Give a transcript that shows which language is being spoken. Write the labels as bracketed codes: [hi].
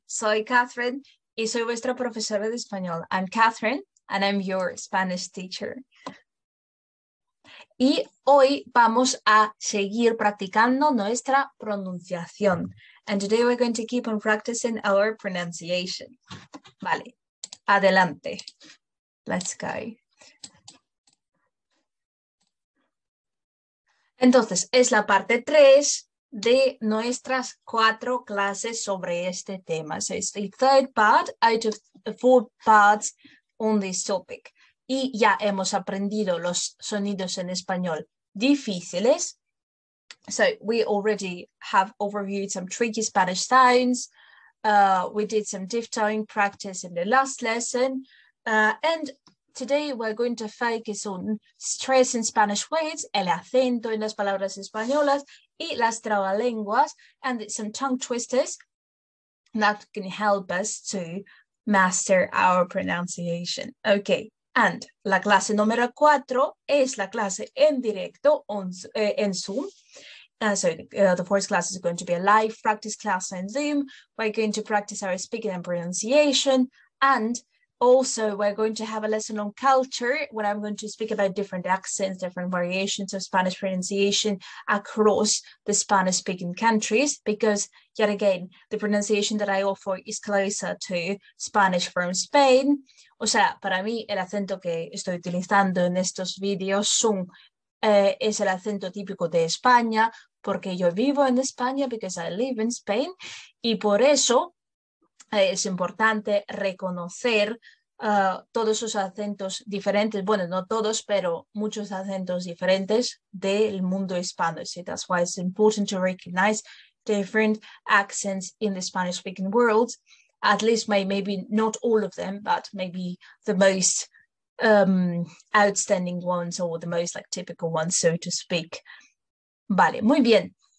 [es] Soy Catherine y soy vuestra profesora de español. [en] I'm Catherine and I'm your Spanish teacher. [es] Y hoy vamos a seguir practicando nuestra pronunciación. [en] And today we're going to keep on practicing our pronunciation. [es] Vale, adelante. [en] Let's [es] Entonces, es la parte 3 de nuestras cuatro clases sobre este tema. [en] So it's the third part out of the four parts on this topic. [es] Y ya hemos aprendido los sonidos en español difíciles. [en] So we already have overviewed some tricky Spanish sounds. We did some diphthong practice in the last lesson. And today we're going to focus on stress in Spanish words, [es] el acento en las palabras españolas y las trabalenguas, [en] and some tongue twisters that can help us to master our pronunciation. Okay, and [es] la clase número 4 es la clase en directo en Zoom. [en] The fourth class is going to be a live practice class on Zoom. We're going to practice our speaking and pronunciation, and also, we're going to have a lesson on culture, where I'm going to speak about different accents, different variations of Spanish pronunciation across the Spanish-speaking countries, because yet again, the pronunciation that I offer is closer to Spanish from Spain. [es] O sea, para mí, el acento que estoy utilizando en estos videos son, es el acento típico de España, porque yo vivo en España, [en] because I live in Spain, [es] y por eso es importante reconocer todos esos acentos diferentes, bueno, no todos, pero muchos acentos diferentes del mundo hispano. [en] So that's why it's important to recognize different accents in the Spanish-speaking world, at least maybe not all of them, but maybe the most outstanding ones or the most like typical ones, so to speak. [es] Vale, muy bien.